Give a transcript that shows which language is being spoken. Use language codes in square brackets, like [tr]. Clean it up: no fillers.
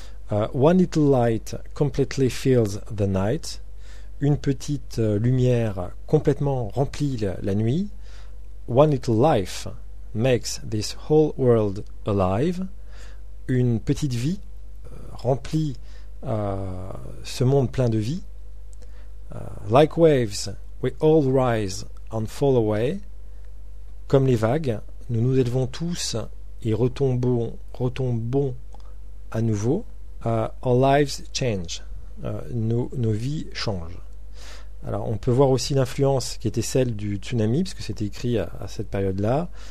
[en] One little light completely fills the night. [fr] Une petite lumière complètement remplit la nuit. [en] One little life makes this whole world alive. [fr] Une petite vie remplit ce monde plein de vie. [en] Like waves, we all rise and fall away. [fr] Comme les vagues, nous nous élevons tous et retombons à nouveau. [en] Our lives change. [fr] Nos vies changent. Alors, on peut voir aussi l'influence qui était celle du tsunami, puisque c'était écrit à cette période-là.